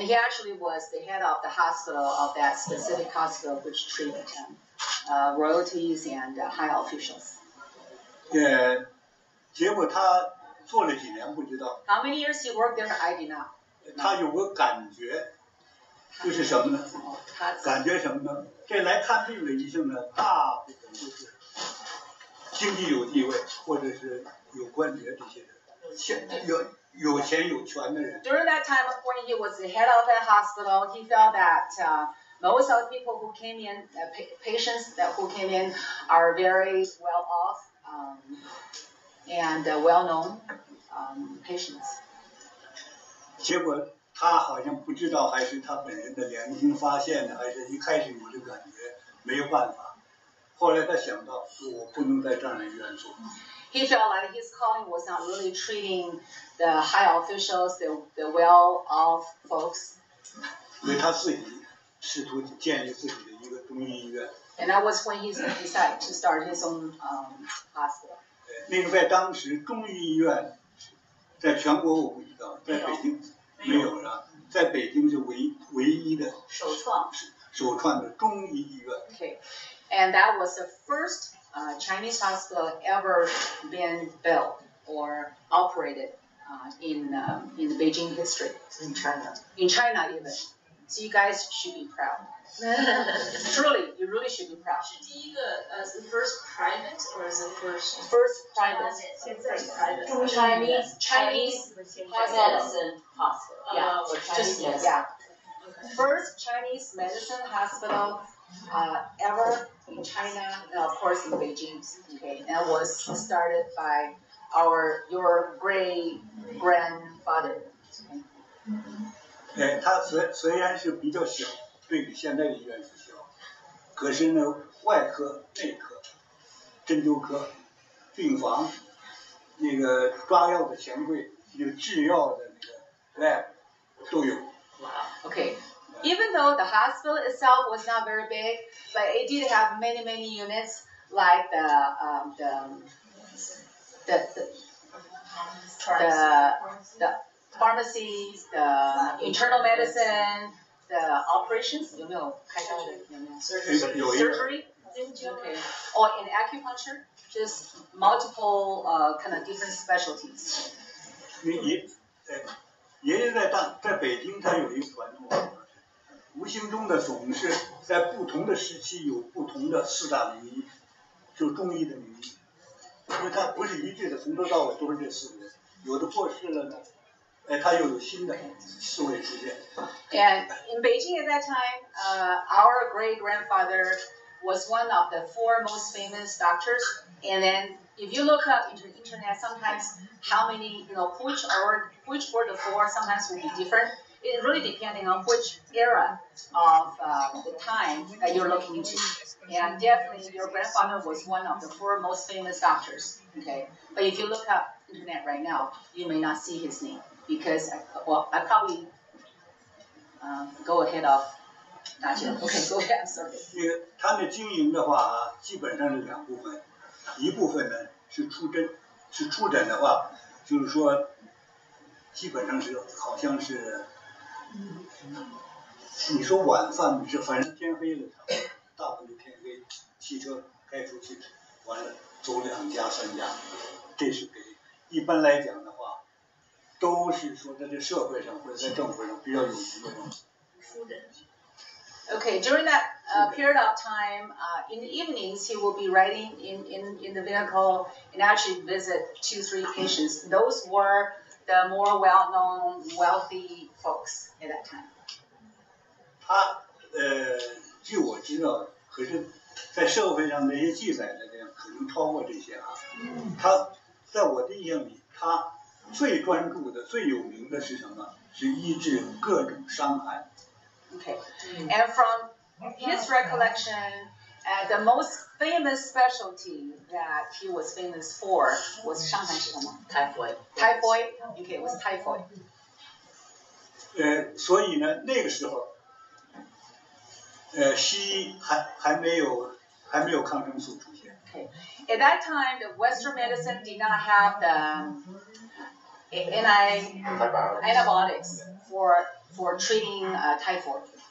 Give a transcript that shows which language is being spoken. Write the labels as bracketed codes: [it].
[en] he actually was the head of the hospital of that specific hospital which treated him, royalties and high officials. [zh] 结果他做了几年不知道。 [en] How many years he worked there? I did not. [zh] 他有个感觉。就是什么呢？感觉什么呢？这来看病的医生呢，大部分就是经济有地位，或者是有官职这些人，有钱有权的人。 During that time, when he was the head of a hospital, he felt that most of the people who came in, patients that who came in, are very well off, and well known, patients. 结果他好像不知道，还是他本人的良心发现的，还是一开始我就感觉没有办法。后来他想到，我不能在这样的医院做。 [en] He felt like his calling was not really treating the high officials, the well-off folks. [zh] 因为他自己试图建立自己的一个中医医院。 [en] And that was when he decided to start his own hospital. [zh] 那个在当时中医医院，在全国我不知道，在北京。没有了，在北京是唯一的首创的中医医院。 [en] Okay, and that was the first Chinese hospital ever been built or operated in the Beijing history. In China even. So you guys should be proud. Truly, you really should be proud. [zh] 是第一个 [en] the first private or the first private? [zh] 现在是 [en] private. Chinese medicine hospital. First Chinese medicine hospital ever in China, of course in Beijing. Okay, that was started by your great grandfather. [zh] Okay, 它虽然是比较小，对比现在的医院是小，可是呢，外科、内科、针灸科、病房、那个抓药的钱柜、那个制药的那个 [en] lab。 Wow. Okay. Even though the hospital itself was not very big, but it did have many, many units like the pharmacies, the internal medicine, the operations, you know, surgery, okay. Or in acupuncture, just multiple kind of different specialties. [zh] 爷爷在北京，他有一个传统，无形中的总是在不同的时期有不同的四大名医，就中医的名医，因为他不是一致的，从头到尾都是这四个人，有的过世了呢，他又有新的四位出现。 [en] And in Beijing at that time, our great grandfather was one of the four most famous doctors, and then if you look up into the internet, sometimes how many, you know, which were the four, sometimes will be different. It really depending on which era of the time that you're looking into. And definitely your grandfather was one of the four most famous doctors, okay? But if you look up internet right now, you may not see his name because, I probably go ahead of Da Jie. Okay, go ahead, I'm sorry. [zh] 他的经营的话，基本上是两部分。一部分呢是出诊的话，就是说，基本上是好像是，你说晚饭是反正天黑了，大部分就天黑，汽车开出去，完了走两家三家，这是给一般来讲的话，都是说在这社会上或者在政府上比较有名的东西。出诊。 [en] Okay, during that period of time, in the evenings, he will be riding in the vehicle and actually visit 2-3 patients. Those were the more well-known, wealthy folks at that time. [zh] 他据我知道，可是在社会上那些记载的呢，可能超过这些啊。他在我的印象里，他最专注的、最有名的是什么？是医治各种伤寒。 [en] Okay, and from his recollection, the most famous specialty that he was famous for was [zh] 伤寒什么？ [en] Typhoid. Okay, it was typhoid. [zh] 所以呢，那个时候，西医还没有抗生素出现。 [en] Okay, at that time, the Western medicine did not have the antibiotics for treating typhoid.